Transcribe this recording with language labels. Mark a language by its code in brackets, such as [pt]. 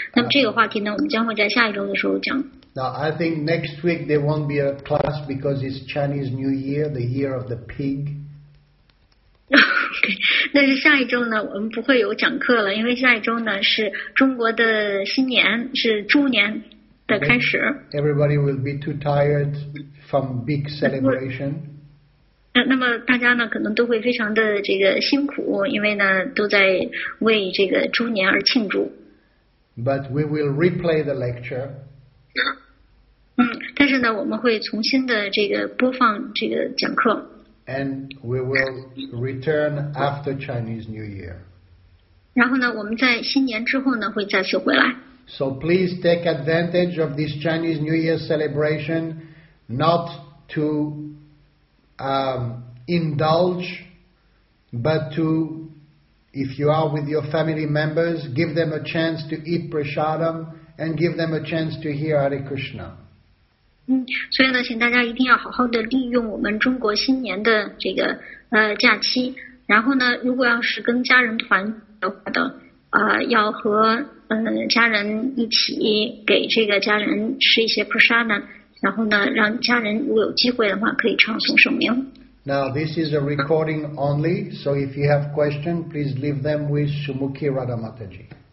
[zh] 那么这个话题呢，我们将会在下一周的时候讲。 [en] Now I think next week there won't be a class because it's Chinese New Year, the year of the pig. Okay. [zh] 那是下一周呢，我们不会有讲课了，因为下一周呢是中国的新年，是猪年。 [en] Everybody will be too tired from big celebration. [zh] 那么大家呢，可能都会非常的这个辛苦，因为呢都在为这个猪年而庆祝。 [en] But we will replay the lecture. [zh] 但是呢，我们会重新的这个播放这个讲课。 [en] And we will return after Chinese New Year. [zh] 然后呢，我们在新年之后呢会再次回来。 [en] So please take advantage of this Chinese New Year celebration not to indulge, but to, if you are with your family members, give them a chance to eat prasadam and give them a chance to hear Hare Krishna. [zh] 所以呢，请大家一定要好好的利用我们中国新年的这个假期，然后呢，如果要是跟家人团的话的要和家人一起给这个家人吃一些 prasada， 然后呢，让家人如果有机会的话，可以唱诵圣名。 [en] Now this is a recording only, so if you have questions, please leave them with Sumukhi Radha Mataji.